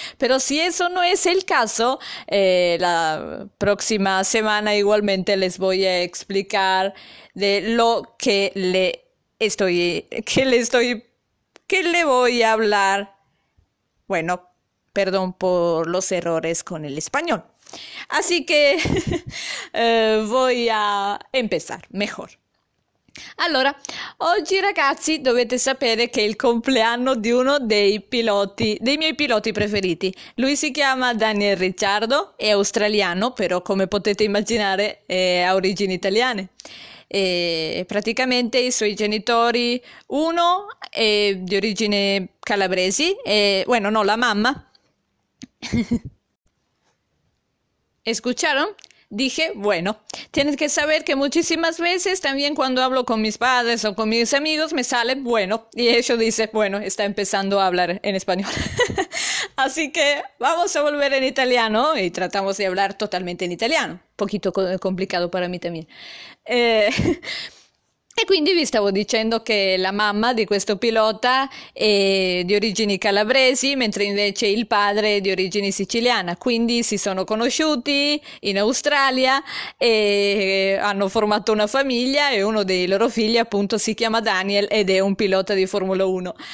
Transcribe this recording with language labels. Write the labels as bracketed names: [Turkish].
[Spanish] Pero si eso no es el caso, la próxima semana igualmente les voy a explicar de lo que le estoy, que le estoy, que le voy a hablar. Bueno, perdón por los errores con el español. Así que voy a empezar mejor. [Italian] Allora, oggi ragazzi dovete sapere che è il compleanno di uno dei piloti, dei miei piloti preferiti. Lui si chiama Daniel Ricciardo, è australiano, però come potete immaginare ha origini italiane. E praticamente i suoi genitori, uno è di origine calabresi, e, bueno, no, la mamma. [Spanish] ¿Escucharon? Dije, bueno, tienes que saber que muchísimas veces también cuando hablo con mis padres o con mis amigos me sale bueno y ellos dicen, bueno, está empezando a hablar en español. Así que vamos a volver en italiano y tratamos de hablar totalmente en italiano. Un poquito complicado para mí también. [Italian] E quindi vi stavo dicendo che la mamma di questo pilota è di origini calabresi, mentre invece il padre è di origini siciliana. Quindi si sono conosciuti in Australia e hanno formato una famiglia e uno dei loro figli appunto si chiama Daniel ed è un pilota di Formula 1.